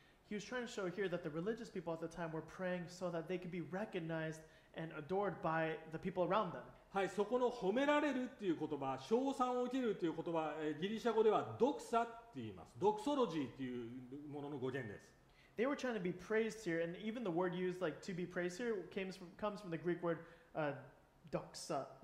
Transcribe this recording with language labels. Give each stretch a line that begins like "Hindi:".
English: He was trying to show here that the religious people at the time were praying so that they could be recognized and adored by the people around them.
Japanese: はい、そこの褒められるっていう言葉、称賛を受けるっていう言葉、ギリシャ語ではドクサって言います。ドクソロジーっていうものの語源です。
English: They were trying to be praised here, and even the word used like to be praised here comes from the Greek word doxazo.